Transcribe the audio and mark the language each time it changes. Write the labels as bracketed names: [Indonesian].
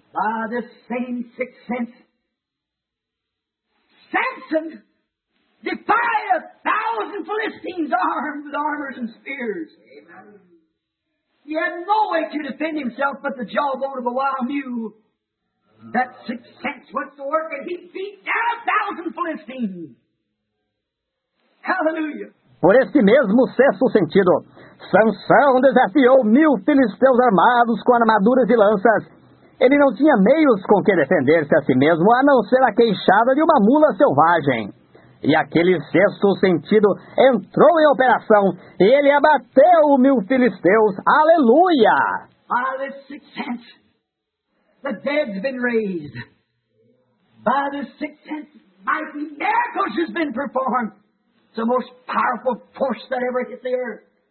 [English] By the same sixth sense, Samson defied a thousand Philistines armed with armors and spears. Amen. He had no way to defend himself but the jawbone of a wild mule. That sixth sense went to work and he beat down a thousand Philistines. Hallelujah. [Portuguese] Por este mesmo sexto sentido, Sansão desafiou mil filisteus armados com armaduras e lanças. Ele não tinha meios com que defender-se a si mesmo, a não ser a queixada de uma mula selvagem. E aquele sexto sentido entrou em operação e ele abateu o mil filisteus. Aleluia! [English] By the sixth sense, the dead's been raised. By the sixth sense, mighty miracles has been performed. It's the most powerful force that ever hit the earth.